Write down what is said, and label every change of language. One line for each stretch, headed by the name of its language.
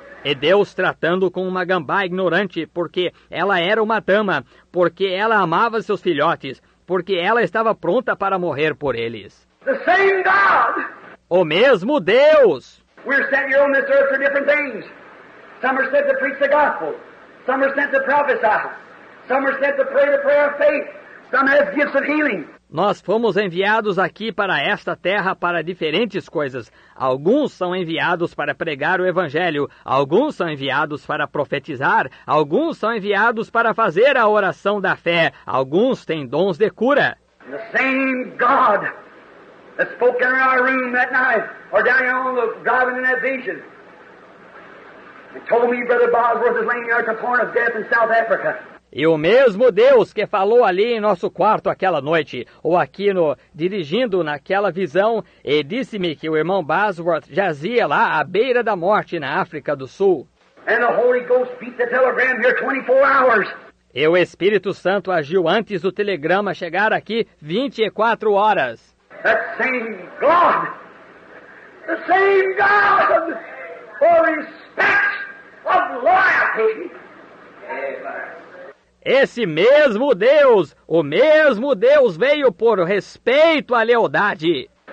Portuguese: E Deus tratando com uma gambá ignorante porque ela era uma dama, porque ela amava seus filhotes, porque ela estava pronta para morrer por eles.
English: The same God.
Portuguese: O mesmo Deus.
English: We're sent here on this earth for different things. Some are sent to preach the gospel. Some are sent to prophesy. Some are sent to pray the prayer of faith. Some have gifts of healing.
Portuguese: Nós fomos enviados aqui para esta terra para diferentes coisas. Alguns são enviados para pregar o evangelho. Alguns são enviados para profetizar. Alguns são enviados para fazer a oração da fé. Alguns têm dons de cura.
English: The same God that spoke in our room that night, or down here on the driving in that vision, and told me Brother Bosworth is laying the earth upon of death in South Africa.
Portuguese: E o mesmo Deus que falou ali em nosso quarto aquela noite, ou aqui no dirigindo naquela visão, e disse-me que o irmão Bosworth jazia lá à beira da morte na África do Sul.
English: And the Holy Ghost beat the telegram here 24 hours.
Portuguese: E o Espírito Santo agiu antes do telegrama chegar aqui 24 horas.
English: That same God, the same God, for respect of loyalty. Amen.
Portuguese: Esse mesmo Deus veio por respeito à lealdade.